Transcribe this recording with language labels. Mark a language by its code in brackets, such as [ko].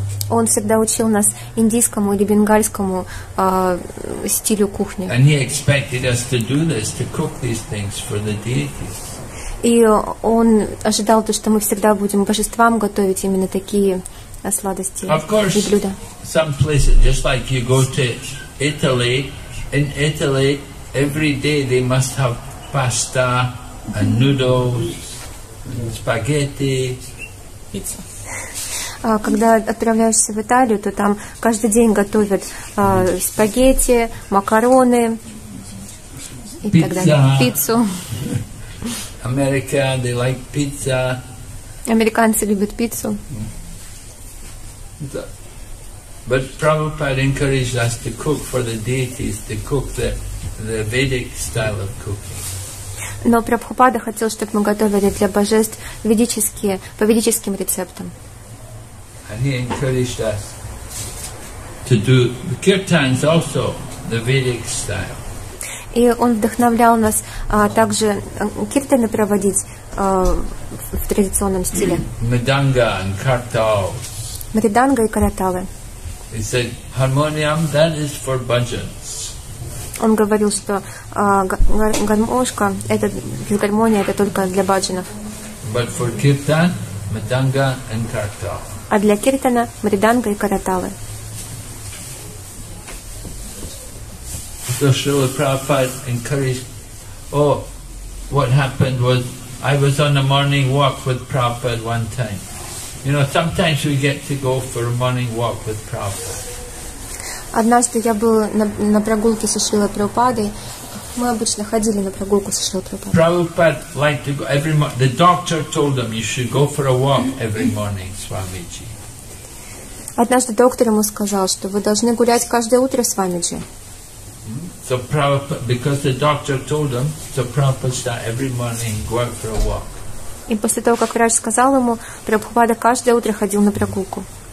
[ru] Он всегда учил нас индийскому или бенгальскому стилю кухни. [en] And he expected us to do this, to cook these things for the deities. [ru] И он ожидал то, что мы всегда будем божествам готовить именно такие сладости и блюда. [en] Some places, just like you go to Italy, in Italy, every day they must have pasta and noodles, spaghetti. Pizza. [ru] Когда отправляешься в Италию, то там каждый день готовят спагетти, макароны и так далее. Пиццу. [en] America, they like pizza. [ru] Американцы любят пиццу. [en] But Prabhupada encouraged us to cook for the deities, to cook the Vedic style of cooking. [ru] Но Прабхупада хотел, чтобы мы готовили для божеств ведические, по ведическим рецептам. [en] And he encouraged us to do the kirtans also, the Vedic style. [ru] И он вдохновлял нас также киртаны проводить в традиционном стиле. Мриданга and картал. Мриданга и караталы. [en] He said, "Harmonium, that is for bhajans." [ru] Он говорил, что гармошка, это для гармонии, это только для баджанов. [en] But for kirtan, madanga and kartal. [ru] А для киртана мриданга и караталы. [en] So Srila Prabhupada encouraged. Oh, what happened was, I was on a morning walk with Prabhupada one time. You know, sometimes we get to go for a morning walk with Prabhupada. [ru] Однажды я был на прогулке со Шрилой Прабхупадой. Мы обычно ходили на прогулку со Шрилой Прабхупадой. [en] Prabhupada liked to go every morning. The doctor told him you should go for a walk every morning, Swamiji. [ru] Однажды доктор ему сказал, что вы должны гулять каждое утро, Свамиджи. [en] So Prabhupada, because the doctor told him, so Prabhupada started every morning going for a walk. [ru] И после того, как врач сказал ему, Прабхупада каждое утро ходил на прогулку.